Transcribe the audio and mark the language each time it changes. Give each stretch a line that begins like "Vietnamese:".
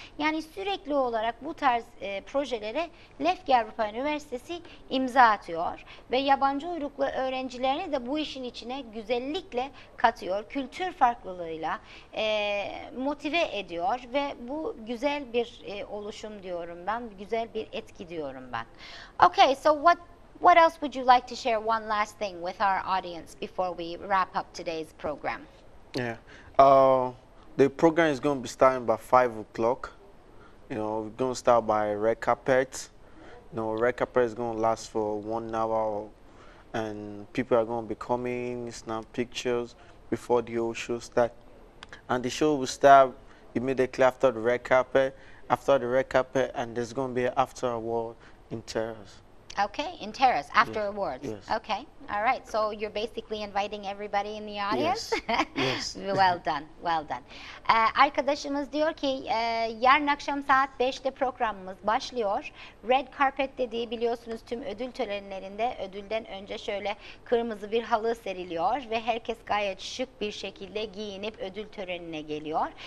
Turkish: Yani sürekli olarak bu tarz projelere Lefke Avrupa Üniversitesi imza atıyor ve yabancı uyruklu öğrencilerini de bu işin içine güzellikle katıyor, kültür farklılığıyla motive ediyor ve bu güzel bir oluşum diyorum ben, güzel bir etki diyorum ben.
English: Okay, so what else would you like to share one last thing with our audience before we wrap up today's program? Yeah, the program is going to be starting by 5 o'clock. You know, we're going to start by red carpet. You know, red carpet is going to last for 1 hour, and people are going to be coming, snap pictures before the whole show starts. And the show will start immediately after the red carpet. After the red carpet, and there's going to be an after award in terrace. Okay, in terrace, after awards. Yes. Okay, all right. So you're basically inviting everybody in the audience? Yes. Well done, well done.
Turkish: Arkadaşımız diyor ki, yarın akşam saat 5'te programımız başlıyor. Red carpet dediği biliyorsunuz tüm ödül törenlerinde ödülden önce şöyle kırmızı bir halı seriliyor ve herkes gayet şık bir şekilde giyinip ödül törenine geliyor.